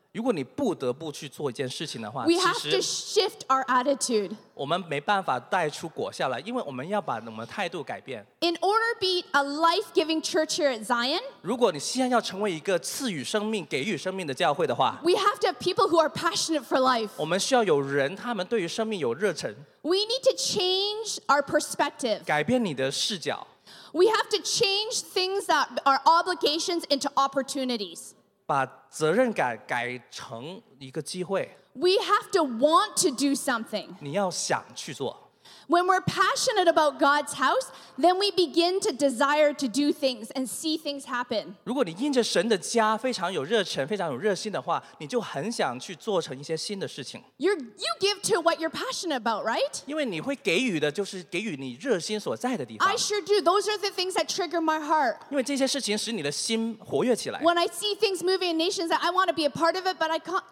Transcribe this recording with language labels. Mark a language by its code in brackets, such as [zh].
[zh] 如果你不得不去做一件事情的话，其实 [en] we have to shift our attitude. [zh] 我们没办法带出果效来，因为我们要把我们的态度改变。 [en] In order to be a life-giving church here at Zion, [zh] 如果你西安要成为一个赐予生命、给予生命的教会的话， [en] we have to have people who are passionate for life. [zh] 我们需要有人，他们对于生命有热忱。 [en] We need to change our perspective. [zh] 改变你的视角。 [en] We have to change things that are obligations into opportunities. [zh] 把责任感改成一个机会。 [en] We have to want to do something. [zh] 你要想去做。 [en] When we're passionate about God's house, then we begin to desire to do things and see things happen. [zh] 如果你因着神的家非常有热忱，非常有热心的话， 你就很想去做成一些新的事情。 [en] You give to what you're passionate about, right? [zh] 因为你会给予的就是给予你热心所在的地方。 [en] I sure do. Those are the things that trigger my heart. [zh] 因为这些事情使你的心活跃起来。 [en] When I see things moving in nations, I want to be a part of it, but I can't.